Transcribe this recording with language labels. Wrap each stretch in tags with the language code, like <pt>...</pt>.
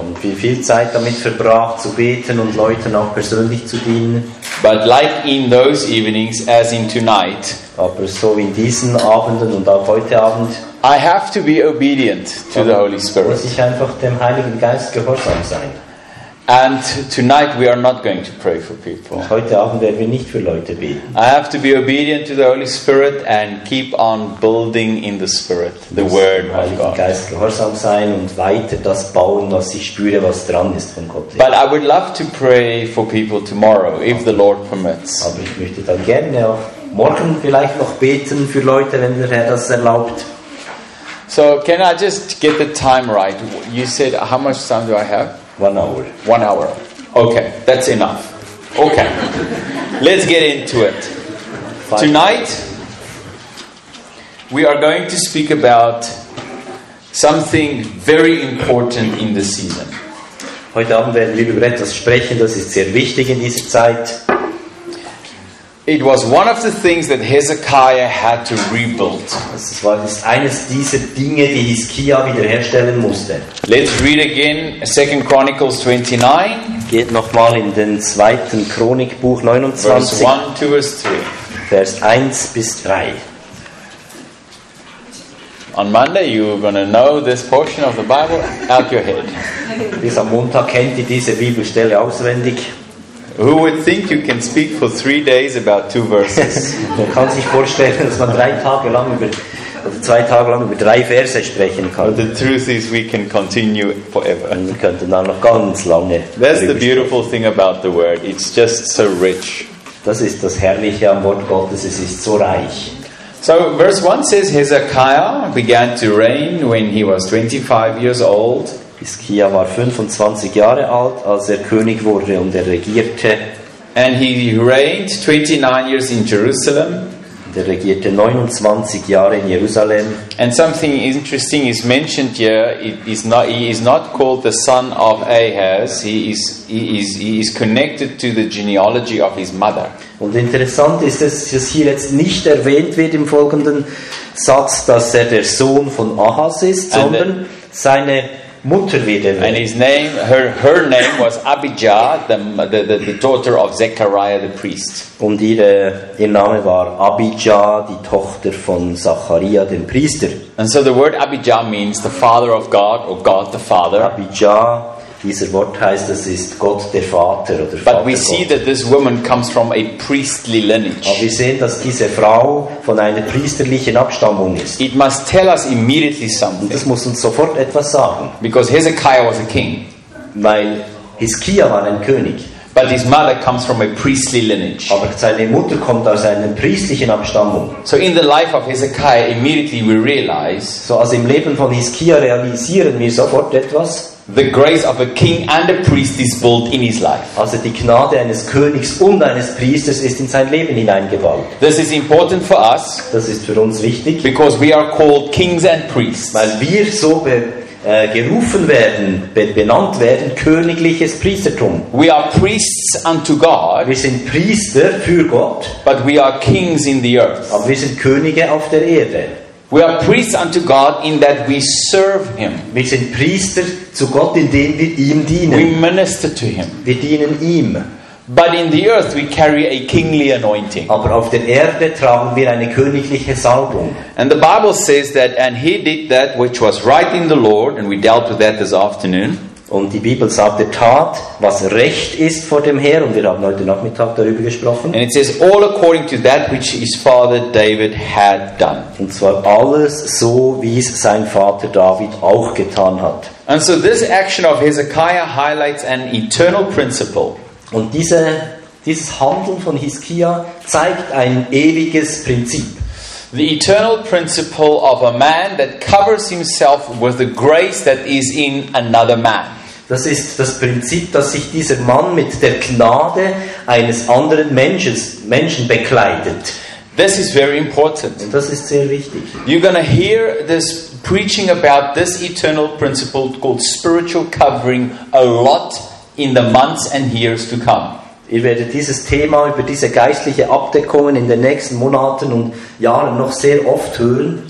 <de>Und wir viel Zeit damit verbracht, zu beten und Leuten auch persönlich zu dienen.</de> <en>But like in those evenings, as in tonight,</en> <de>aber so wie in diesen Abenden und auch heute Abend,</de> <en>I have to be obedient to the Holy Spirit.</en> <de>Muss ich einfach dem Heiligen Geist gehorsam sein.</de> <en>And tonight we are not going to pray for people.</en> <de>Heute Abend werden wir nicht für Leute beten.</de> <en>I have to be obedient to the Holy Spirit and keep on building in the Spirit, the Word of God.</en> <de>Muss dem Heiligen Geist gehorsam sein und weiter das bauen, was ich spüre, was dran ist von Gott.</de> <en>But I would love to pray for people tomorrow, if the Lord permits.</en> <de>Aber ich möchte dann gerne auch morgen vielleicht noch beten für Leute, wenn der Herr das erlaubt.</de> <en>So, can I just get the time right? You said, how much time do I have? 1 hour. 1 hour. Okay, that's enough. Okay, let's get into it. Tonight, we are going to speak about something very important in the season.</en> <de>Heute Abend werden wir über etwas sprechen, das ist sehr wichtig in dieser Zeit.</de> <en>It was one of the things that Hezekiah had to rebuild.</en> <de>Das war eines dieser Dinge, die Hiskia wiederherstellen musste.</de> <en>Let's read again 2 Chronicles 29.</en> <de>Geht nochmal in den 2. Chronikbuch 29.</de> <en>Verse 1, 2, verse 3.</en> <de>Vers 1 bis 3.</de> <en>On Monday you're going to know this portion of the Bible out your head.</en> <de>Bis am Montag kennt ihr diese Bibelstelle auswendig.</de> <en>Who would think you can speak for 3 days about 2 verses?</en> <de>Man kann sich vorstellen, dass man 3 Tage lang über oder 2 Tage lang über 3 Verse sprechen kann.</de> <en>The truth is, we can continue forever.</en> <de>Und wir könnten dann noch ganz lange.</de> <en>That's the beautiful thing about the word. It's just so rich.</en> <de>Das ist das Herrliche am Wort Gottes. Es ist so reich.</de> <en>So verse 1 says Hezekiah began to reign when he was 25 years old.</en> <de>Hiskia war 25 Jahre alt, als er König wurde und er regierte.</de> <en>And he reigned 29 years in Jerusalem.</en> <de>Er regierte 29 Jahre in Jerusalem.</de> <en>And something interesting is mentioned here. He is not called the son of Ahaz. He is connected to the genealogy of his mother.</en> <de>Und interessant ist es, dass hier jetzt nicht erwähnt wird im folgenden Satz, dass er der Sohn von Ahaz ist, sondern seine Mutter wieder.</de> <en>And his name, her name was Abijah, the daughter of Zechariah the priest.</en> <de>Und ihr Name war Abijah, die Tochter von Zachariah dem Priester.</de> <en>And so the word Abijah means the father of God or God the Father.</en> <de>Abijah, dieser Wort heißt, es ist Gott der Vater oder</de> <en>But</en> <de>Vater</de> <en>we see</en> <de>Gott.</de> <en>That this woman comes from a priestly lineage.</en> <de>Aber wir sehen, dass diese Frau von einer priesterlichen Abstammung ist.</de> <en>It must tell us immediately something.</en> <de>Das muss uns sofort etwas sagen.</de> <en>Because Hezekiah was a king.</en> <de>Weil Hiskia war ein König.</de> <en>But his mother comes from a priestly lineage.</en> <de>Aber seine Mutter kommt aus einer priestlichen Abstammung.</de> <en>So in the life of Hezekiah immediately we realize.</en> <de>So als im Leben von Hiskia realisieren wir sofort etwas.</de> <en>The grace of a king and a priest is built in his life.</en> <de>Also die Gnade eines Königs und eines Priesters ist in sein Leben hineingebaut.</de> <en>This is important for us.</en> <de>Das ist für uns wichtig.</de> <en>Because we are called kings and priests.</en> <de>Weil wir so gerufen werden, benannt werden, königliches Priestertum.</de> <en>We are priests unto God.</en> <de>Wir sind Priester für Gott.</de> <en>But we are kings in the earth.</en> <de>Aber wir sind Könige auf der Erde.</de> <en>We are priests unto God in that we serve Him.</en> <de>Wir sind Priester zu Gott, indem wir ihm dienen.</de> <en>We minister to Him.</en> <de>Wir dienen ihm.</de> <en>But in the earth we carry a kingly anointing.</en> <de>Aber auf der Erde tragen wir eine königliche Salbung.</de> <en>And the Bible says that, and he did that which was right in the Lord, and we dealt with that this afternoon.</en> <de>Und die Bibel sagt, er tat, was recht ist vor dem Herrn, und wir haben heute Nachmittag darüber gesprochen.</de> <en>And it says, all according to that which his father David had done.</en> <de>Und zwar alles so, wie es sein Vater David auch getan hat.</de> <en>And so this action of Hezekiah highlights an eternal principle.</en> <de>Und dieses Handeln von Hiskia zeigt ein ewiges Prinzip.</de> <en>The eternal principle of a man that covers himself with the grace that is in another man.</en> <de>Das ist das Prinzip, dass sich dieser Mann mit der Gnade eines anderen Menschen bekleidet.</de> <en>This is very important.</en> <de>Und das ist sehr wichtig.</de> <en>You're going to hear this preaching about this eternal principle called spiritual covering a lot in the months and years to come.</en> <de>Ihr werdet dieses Thema über diese geistliche Abdeckung in den nächsten Monaten und Jahren noch sehr oft hören.</de>